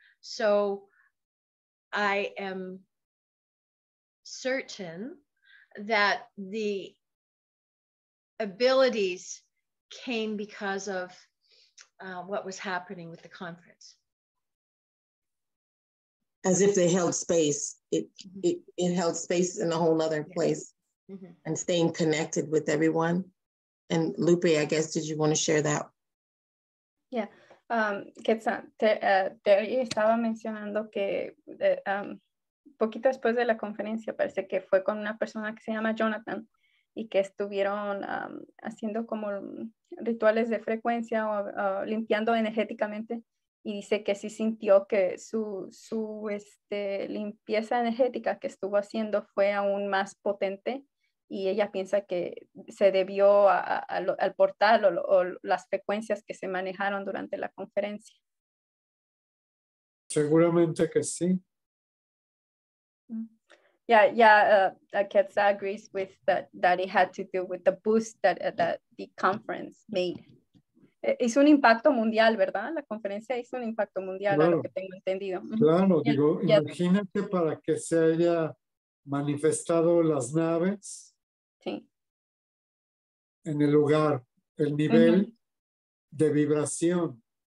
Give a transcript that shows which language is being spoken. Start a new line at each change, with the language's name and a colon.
English: So I am certain that the abilities came because of what was happening with the conference. As if they held space. It held space in a whole other place. Mm-hmm. And staying connected with everyone. And Lupe, I guess, did you want to share that? Yeah.
Spanish: Terry estaba mencionando que poquito después de la conferencia, parece que fue con una persona que se llama Jonathan, y que estuvieron haciendo como rituales de frecuencia o limpiando energéticamente, y dice que sí sintió que su limpieza energética que estuvo haciendo fue aún más potente, y ella piensa que se debió al portal o las frecuencias que se manejaron durante la conferencia. Seguramente que sí.
English: Yeah, Quetza agrees with that it had to do with the boost that the conference made.
Spanish: hizo un impacto mundial, ¿verdad? La conferencia hizo un impacto mundial, claro, a lo que tengo entendido. Claro, yeah. Digo, yeah. Imagínate para que se haya manifestado las naves. Sí. En el lugar, el nivel de vibración.